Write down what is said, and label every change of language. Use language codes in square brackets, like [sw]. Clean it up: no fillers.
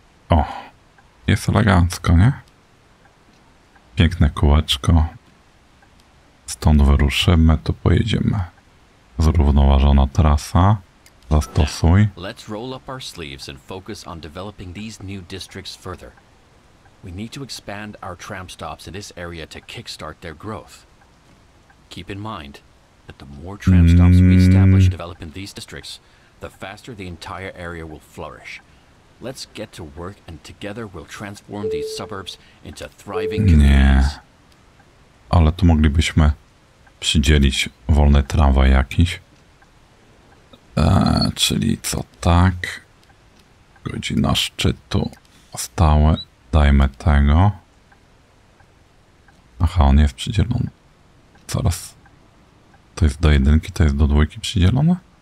[pl] O. Jest elegancko, nie? Piękne kółeczko. Stąd wyruszymy, to pojedziemy. Zrównoważona trasa. Zastosuj. [en] Let's roll up our sleeves and focus on developing these new districts further. We need to expand our tram stops in this area to kickstart their growth. Keep in mind that the more tram stops we establish developing these districts, the faster the entire area will flourish. Let's get to work and together we'll transform these suburbs into thriving communities. [pl] Nie. Ale tu moglibyśmy przydzielić wolny tramwaj jakiś. Czyli co tak? Godzina szczytu stałe. Dajmy tego. Aha, on jest przydzielony. Zaraz. To jest do jedynki, to jest do dwójki przydzielone?